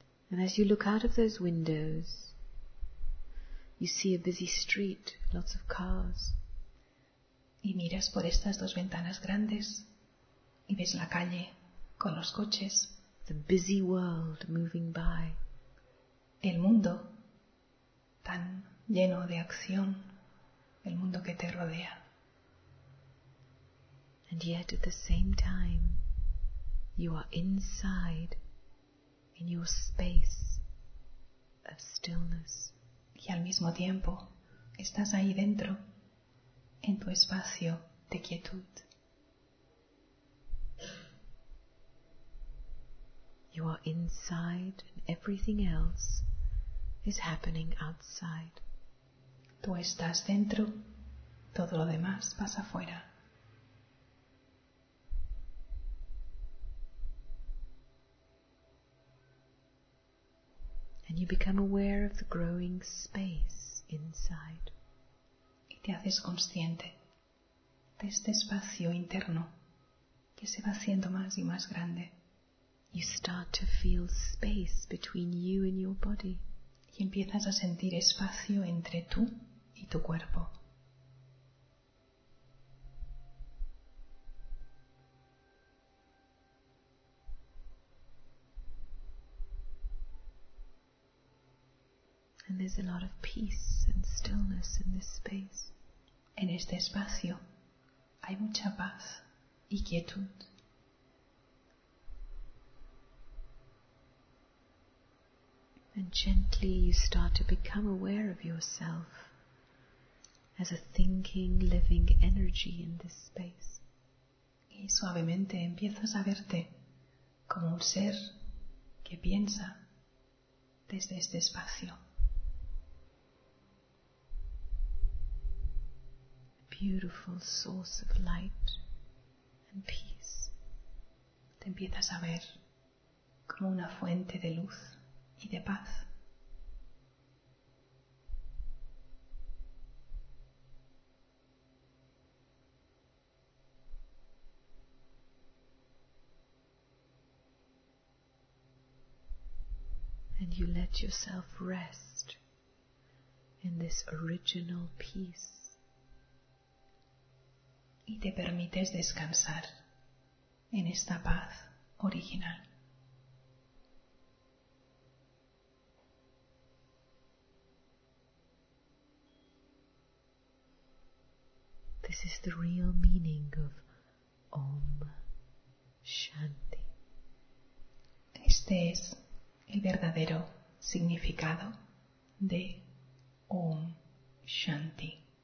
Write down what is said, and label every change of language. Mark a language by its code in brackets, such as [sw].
[en] And as you look out of those windows, you see a busy street, lots of cars. [es] Y miras por estas dos ventanas grandes y ves la calle con los coches. [en] The busy world moving by. [es] El mundo tan lleno de acción, el mundo que te rodea. [en] And yet at the same time, you are inside in your space of stillness. [es] Y al mismo tiempo, estás ahí dentro, en tu espacio de quietud. [en] You are inside and everything else is happening outside. [es] Tú estás dentro, todo lo demás pasa afuera. [en] And you become aware of the growing space inside. [es] Y te haces consciente de este espacio interno que se va haciendo más y más grande. [en] You start to feel space between you and your body. [es] Y empiezas a sentir espacio entre tú y tu cuerpo. [en] And there's a lot of peace and stillness in this space. [es] En este espacio hay mucha paz y quietud. [en] And gently you start to become aware of yourself as a thinking, living energy in this space. [es] Y suavemente empiezas a verte como un ser que piensa desde este espacio. [en] beautiful source of light and peace. [es] Te empiezas a ver como una fuente de luz y de paz. [en] And you let yourself rest in this original peace. [es] Y te permites descansar en esta paz original. [en] This is the real meaning of Om Shanti. [es] Este es el verdadero significado de Om Shanti.